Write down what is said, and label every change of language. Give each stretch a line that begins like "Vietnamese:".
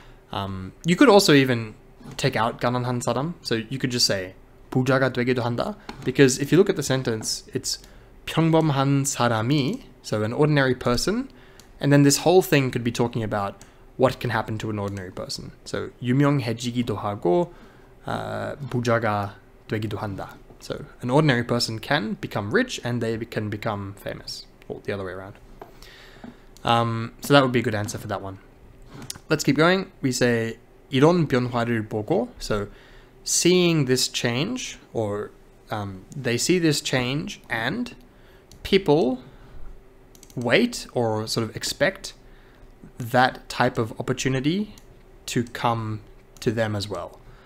English: You could also even take out
Korean: 가난한 사람.
English: So you could just say
Korean: 부자가 되기도 한다,
English: because if you look at the sentence, it's
Korean: 평범한 사람이,
English: so an ordinary person, and then this whole thing could be talking about what can happen to an ordinary person.
Korean: So 유명해지기도 하고 부자가 되기도 한다.
English: So an ordinary person can become rich and they can become famous, or the other way around. So that would be a good answer for that one. Let's keep going. We say
Korean: 이런 변화를 보고,
English: so seeing this change, or they see this change and people wait or sort of expect that type of opportunity to come to them as well.